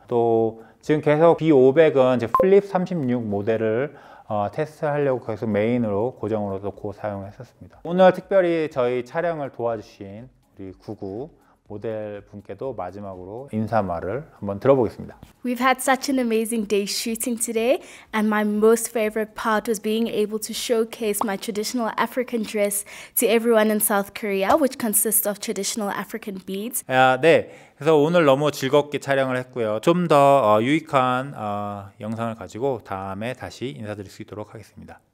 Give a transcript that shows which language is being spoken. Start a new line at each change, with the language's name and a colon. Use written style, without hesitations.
Korean: 또 지금 계속 B500은 이제 플립 36 모델을 테스트하려고 계속 메인으로 고정으로 놓고 사용했었습니다. 오늘 특별히 저희 촬영을 도와주신 우리 구구 모델 분께도 마지막으로 인사말을 한번 들어보겠습니다.
English: We've had such an amazing day shooting today and my most favorite part was being able to showcase my traditional African dress to everyone in South Korea which consists of traditional African beads.
Korean: 네. 그래서 오늘 너무 즐겁게 촬영을 했고요. 좀 더 유익한 영상을 가지고 다음에 다시 인사드릴 수 있도록 하겠습니다.